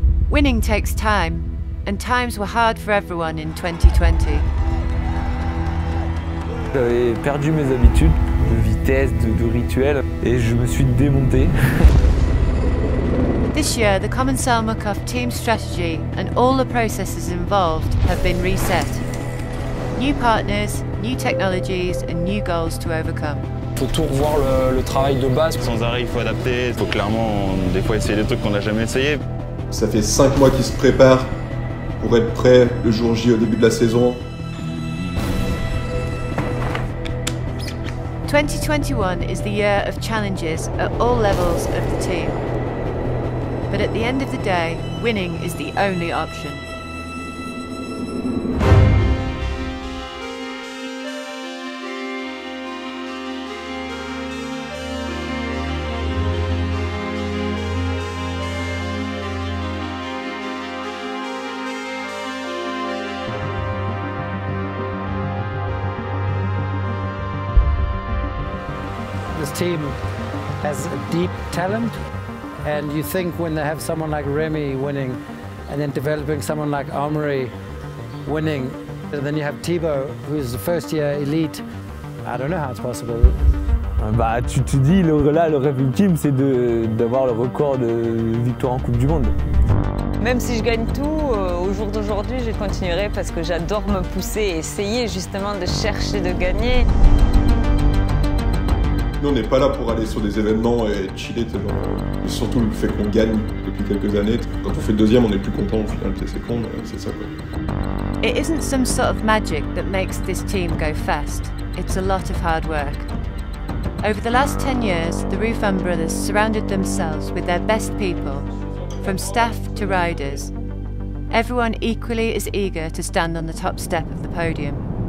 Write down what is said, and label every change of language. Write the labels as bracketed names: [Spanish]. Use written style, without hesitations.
[English] Winning takes time, and times were hard for everyone in 2020. [French] J'avais perdu mes habitudes de vitesse, de rituel, et je me suis démonté. [English] This year, the Commencal MUC-OFF team strategy and all the processes involved have been reset. New partners, new technologies, and new goals to overcome. [French] Faut tout revoir le travail de base. Sans arrêt, il faut adapter. Faut clairement, des fois, essayer des trucs qu'on n'a jamais essayé. Ça fait 5 mois qu'ils se préparent pour être prêts le jour J au début de la saison. [English] 2021 is the year of challenges at all levels of the team. But at the end of the day, winning is the only option. Team has deep talent, and you think when they have someone like Remy winning and then developing someone like Amaury winning, and then you have Thibaut who's the first year elite, I don't know how it's possible. [French] Bah, tu dis là, le rêve ultime c'est d'avoir le record de victoire en Coupe du Monde. Même si je gagne tout, au jour d'aujourd'hui je continuerai parce que j'adore me pousser et essayer justement de chercher de gagner. Nous, on n'est pas là pour aller sur des événements et chiller, tu sais. Mais surtout le fait qu'on gagne depuis quelques années. Quand on fait deuxième, on est plus content au final, c'est con, c'est ça quoi. [English] It isn't some sort of magic that makes this team go fast. It's a lot of hard work. Over the last 10 years, the Ruffin brothers surrounded themselves with their best people, from staff to riders. Everyone equally as eager to stand on the top step of the podium.